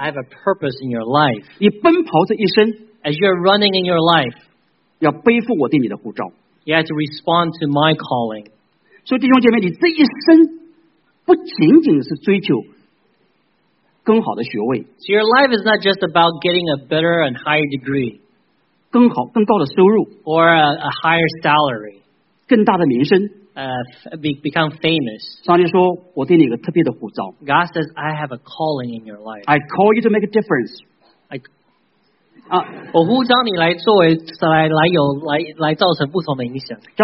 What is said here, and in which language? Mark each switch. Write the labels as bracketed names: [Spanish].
[English] I have a purpose in your life. [Chinese] 你奔跑这一生 [English] as you're running in your life, [Chinese] 要背负我对你的呼召 [English] you have to respond to my calling. [Chinese] 所以弟兄姐妹，你这一生不仅仅是追求。更好的学位。 [English] So your life is not just about getting a better and higher degree. [Chinese] 更好更高的收入。 [English] Or a higher salary. [Chinese] 更大的名声。 [English] Become famous. [Chinese] 上帝说我对你有个特别的呼召。 [English] God says, I have a calling in your life. I call you to make a difference. [Chinese] 我呼召你来作为来造成不同的影响。